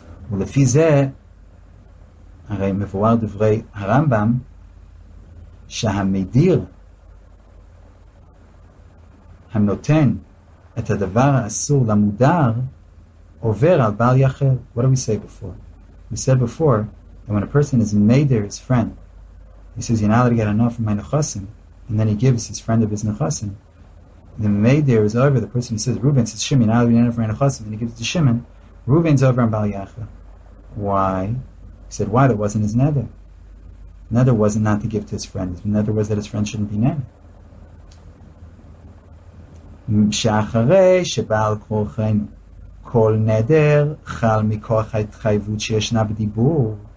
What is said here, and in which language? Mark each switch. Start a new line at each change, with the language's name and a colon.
Hebrew: ולפי זה, הרי מבואר דברי הרמב״ם, שהמדיר, הנותן את הדבר האסור למודר, עובר על בעל יחל.
English: What do we say before? We said before that when a person is madir his friend, he says, you're not allowed to get enough from my nechassim, and then he gives his friend of his nechassim, the madir is over, the person who says, Reuven says, Shimon, you're not allowed to get enough from my nechassim, and he gives it to Shimon, Reuven's over on bal yachel. Why? He said, why? That wasn't his nether. Nether wasn't not to give to his friend. His nether was that his friend shouldn't be named.
Hebrew: שאחרי שבעל כורחן כל נדר חל מכוח ההתחייבות שישנה בדיבור.